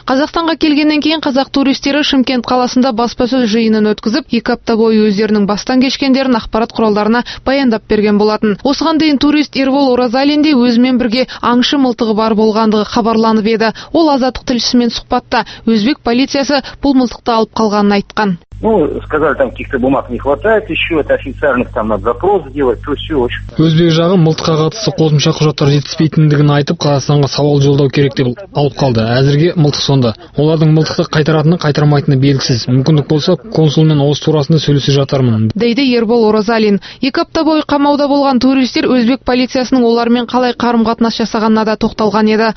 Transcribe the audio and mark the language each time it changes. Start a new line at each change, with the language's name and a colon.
Kazakh: Қазақстанға келгеннен кейін қазақ туристері Шымкент қаласында баспасөз жиынын өткізіп, 2 апта бойы өздерінің бастан кешкендерін ақпарат құралдарына баяндады. Берген болатын. Осыған дейін турист Ербол Оразалин де өзімен бірге аңшы мылтығы бар болғандығы хабарланып еді. Ол Азаттық тілшісімен сұхбатта өзбек полициясы бұл мылтықты алып қалғанын айтқан.
Russian: Ну, сказали, там каких-то бумаг не хватает еще, это официальных там надо запрос сделать, то все очень.
Kazakh: Өзбек жағы мұлтқа қатысы қосымша құжаттар жетіспейтіндігін айтып, Қазақстанға сауал жолдау керек деп алып қалды. Әзірге мұлтық сонда. Олардың мұлтықты қайтаратыны қайтармайтыны белгісіз. Мүмкіндік болса, консулмен осы турасында сөйлесе жатармын. Дейді Ербол Оразалин. Екі апта бойы қамауда болған туристер өзбек полициясының олармен қалай қарым-қатынас жасағанына да тоқталған еді.